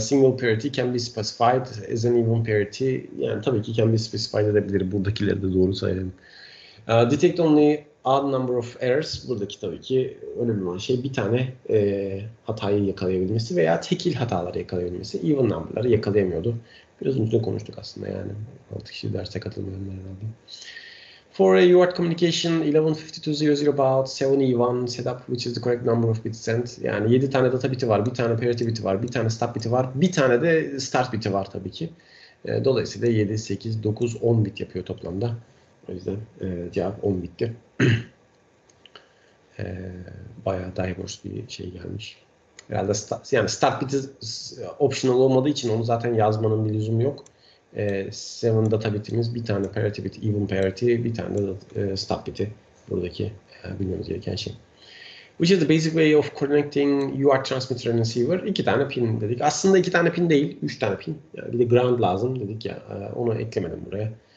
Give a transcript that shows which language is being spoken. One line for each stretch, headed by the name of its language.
English: Single parity can be specified as an even parity.
Turkish: Yani tabii ki
English: can be specified
Turkish: edebilir. Buradakileri de doğru sayalım.
English: Detect only odd number of errors.
Turkish: Buradaki tabii ki önemli olan şey bir tane hatayı yakalayabilmesi veya tekil hataları yakalayabilmesi. Even number'ları yakalayamıyordu. Biraz uzun konuştuk aslında yani. 6 kişi derse katılmayanlar herhalde.
English: For a UART communication, 1152.0.0 about 7E1 setup, which is the correct number of bits sent.
Turkish: Yani 7 tane data biti var, 1 tane parity biti var, 1 tane stop biti var, 1 tane de start biti var tabii ki. Dolayısıyla 7, 8, 9, 10 bit yapıyor toplamda. O yüzden cevap 10 bitti. bayağı diverse bir şey gelmiş. Herhalde start biti optional olmadığı için onu zaten yazmanın bir lüzumu yok. 7 data bitimiz, bir tane parity bit, even parity, bir tane de stop biti. Buradaki bilmemiz gereken şey.
English: Which is the basic way of connecting UART transmitter and receiver.
Turkish: İki tane pin dedik. Aslında iki tane pin değil, üç tane pin. Yani bir de ground lazım dedik ya, onu eklemedim buraya.